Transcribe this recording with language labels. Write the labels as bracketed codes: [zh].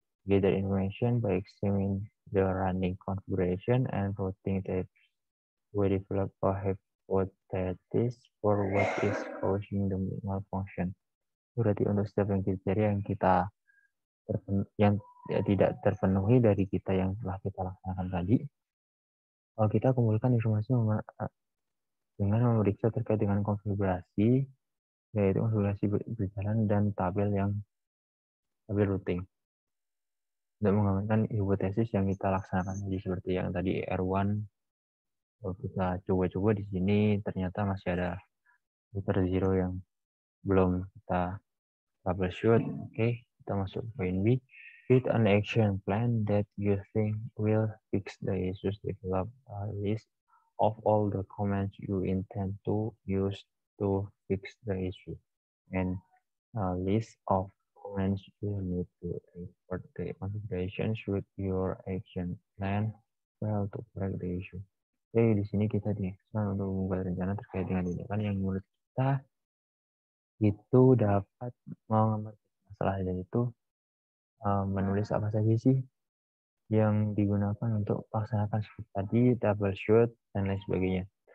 [en] Gather information by examining the running configuration and routing that we develop a hypothesis for what is causing the malfunction. [id] Berarti untuk setiap yang kriteria yang kita yang ya, tidak terpenuhi dari kita yang telah kita laksanakan tadi, kalau kita kumpulkan informasi dengan memeriksa terkait dengan konfigurasi, yaitu konfigurasi berjalan dan tabel routing. Untuk mengamankan hipotesis yang kita laksanakan tadi, seperti yang tadi R1, kalau kita coba-coba di sini, ternyata masih ada router 0 yang belum kita troubleshoot. Oke, kita masuk ke poin B. [en] Create an action plan that you think will fix the issues. Develop a list of all the commands you intend to use to fix the issue, and a list of commands you need to import the configurations with your action plan well to correct the issue. [id] Okay, di sini kita diharuskan untuk membuat rencana terkait dengan tindakan yang menurut kita itu dapat mengatasi masalah itu. Menulis apa saja sih yang digunakan untuk melaksanakan seperti tadi, double shoot, dan lain sebagainya.